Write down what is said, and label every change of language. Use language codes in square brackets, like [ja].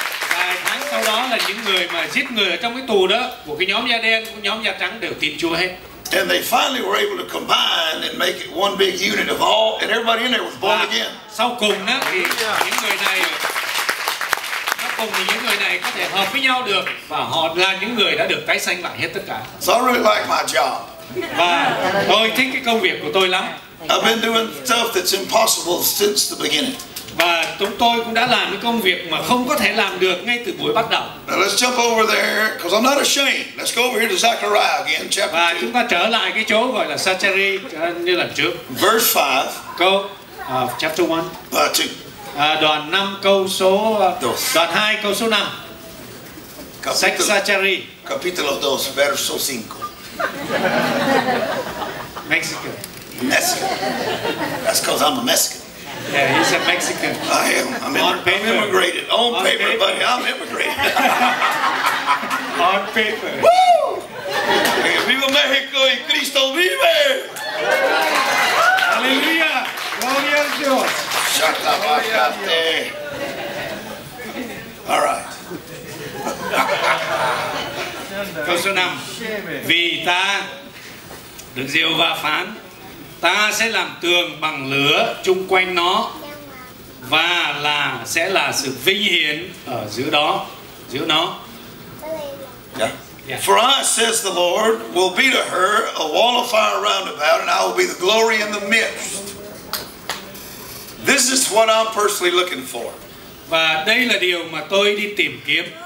[vi] Và tháng sau đó là những người mà giết người ở trong cái tù đó của cái nhóm da đen, của nhóm da trắng đều tin Chúa hết. [en] And they finally were able to combine and make it one big unit of all, and everybody in there was born again. [vi] Sau cùng đó thì những người này, nó cùng những người này có thể hợp với nhau được và họ là những người đã được tái sanh lại hết tất cả. [en] So I really like my job. [vi] Và tôi thích cái công việc của tôi lắm. [en] I've been doing stuff that's impossible since the beginning. [vi] Và chúng tôi cũng đã làm cái công việc mà không có thể làm được ngay từ buổi bắt đầu. [en] Now let's jump over there, because I'm not ashamed. Let's go over here to Zechariah again, chapter 2. [vi] Và chúng ta trở lại cái chỗ gọi là Sacheri như lần trước. [en] Verse 5. [vi] Câu chapter 1. 2. Đoạn 5 câu số đoạn 2 câu số 5. Sacheri. [es] Capítulo 2, verso 5. [en] Mexico. Mexico. That's because I'm a Mexican. Yeah, he's a Mexican. I am. I'm immigrated. On paper, buddy. I'm immigrated. On paper. [es] Woo! Que viva México y Cristo vive! Aleluya! Gloria a Dios! [en] Shut up, my God. All right. [es] Con su nombre, [vi] vì ta được rượu và phán, ta sẽ làm tường bằng lửa chung quanh nó và là sẽ là sự vinh hiển ở giữa đó, giữa nó. [en] Yeah. Yeah. For I, says the Lord, will be to her a wall of fire round about, and I will be the glory in the midst. This is what I'm personally looking for. [vi] Và đây là điều mà tôi đi tìm kiếm.